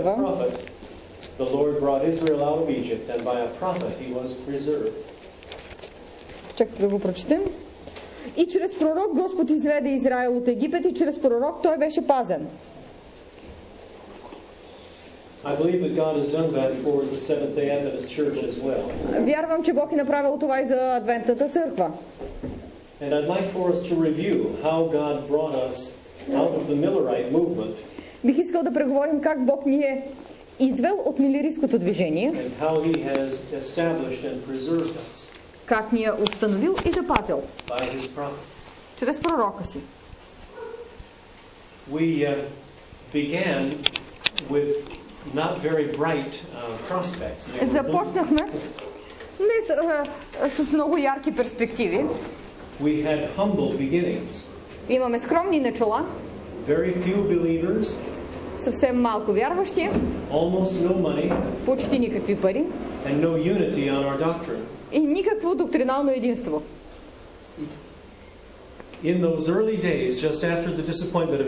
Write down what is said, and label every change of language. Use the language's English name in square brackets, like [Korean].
[English] by a prophet, the Lord brought Israel out of Egypt, and by a prophet he was preserved. [Bulgarian] Чакайте да го прочетем. И чрез пророк Господ изведе Израил от Египет, и чрез пророк той беше пазен. [English] I believe that God has done that for the Seventh-day Adventist Church as well. [Bulgarian] Вярвам, че Бог е направил това и за Адвентната църква. [English] And I'd like for us to review how God brought us out of the Millerite movement. [Bulgarian] Бих искал да преговорим как Бог ни е извел от милеристското движение. [English] And how he has established and preserved us. [Bulgarian] Как ни е установил и запазил. [English] By his prophet. [Bulgarian] Чрез пророка си. [English] We began with not very bright prospects. [Bulgarian] Започнахме не с много ярки перспективи. [English] We had humble beginnings. [Bulgarian] Имаме скромни начала. [English] Very few believers. [Bulgarian] Съвсем малко вярващи. [English] Almost no money. [Bulgarian] Почти никакви пари. [English] And no unity on our doctrine. [Bulgarian] И никакво доктринално единство. [English] In those early days, just after the disappointment of